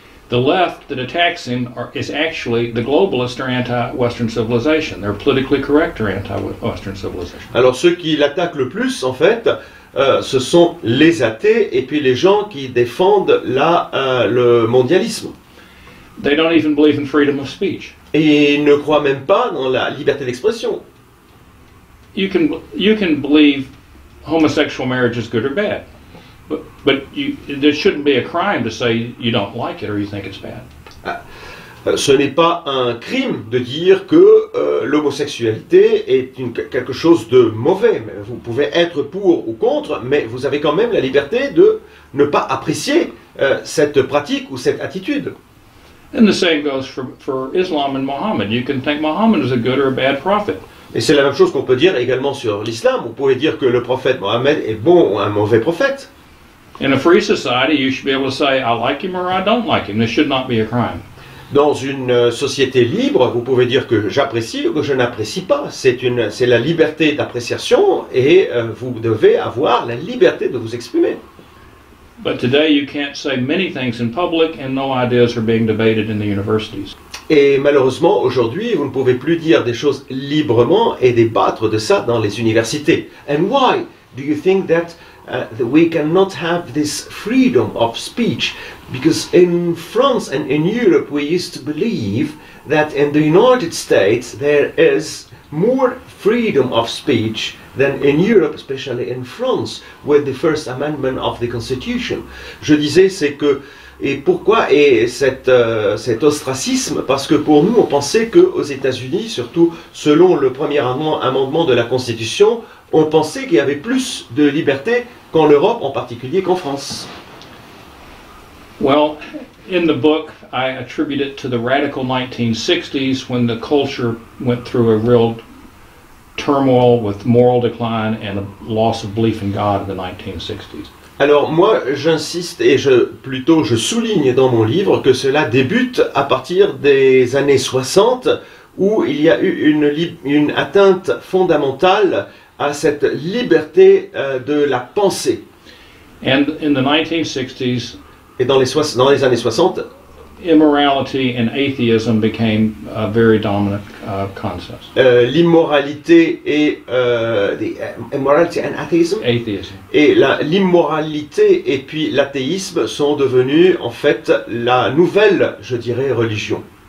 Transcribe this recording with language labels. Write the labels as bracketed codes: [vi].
[en] The left that attacks him is actually the globalist or anti-Western civilization. They're politically correct or anti-Western civilization. [fr] Alors, ceux qui l'attaquent le plus en fait, ce sont les athées et puis les gens qui défendent le mondialisme. [en] They don't even believe in freedom of speech. [fr] Et ils ne croient même pas dans la liberté d'expression. [en] You can believe homosexual marriage is good or bad, but there shouldn't be a crime to say you don't like it or you think it's bad. [fr] Ce n'est pas un crime de dire que l'homosexualité est quelque chose de mauvais. Vous pouvez être pour ou contre, mais vous avez quand même la liberté de ne pas apprécier cette pratique ou cette attitude. [en] And the same goes for Islam and Muhammad. You can think Muhammad is a good or a bad prophet. [fr] Et c'est la même chose qu'on peut dire également sur l'islam. Vous pouvez dire que le prophète Mohammed est bon ou un mauvais prophète. [en] In a free society, you should be able to say I like him or I don't like him. This should not be a crime. [fr] Dans une société libre, vous pouvez dire que j'apprécie ou que je n'apprécie pas. C'est la liberté d'appréciation et vous devez avoir la liberté de vous exprimer. [en] But today you can't say many things in public and no ideas are being debated in the universities. [fr] Et malheureusement, aujourd'hui, vous ne pouvez plus dire des choses librement et débattre de ça dans les universités. [en] And why do you think that we cannot have this freedom of speech? Because in France and in Europe, we used to believe that in the United States, there is more freedom of speech than in Europe, especially in France, with the First Amendment of the Constitution. [fr] Je disais, c'est que... Et pourquoi est cet ostracisme? Parce que pour nous, on pensait qu'aux États-Unis, surtout selon le premier amendement de la Constitution, on pensait qu'il y avait plus de liberté qu'en Europe, en particulier qu'en France. [en] Well, in the book, I attribute it to the radical 1960s when the culture went through a real turmoil with moral decline and a loss of belief in God in the 1960s. [fr] Alors moi, j'insiste et je souligne dans mon livre que cela débute à partir des années 60 où il y a eu une atteinte fondamentale à cette liberté de la pensée. [en] And in the 1960s, [fr] et dans les années 60, [en] immorality and atheism became a very dominant concept. [fr] L'immoralité et [en] immorality and atheism. Atheism. [fr] Et l'immoralité et puis l'athéisme sont devenus en fait la nouvelle, je dirais, religion.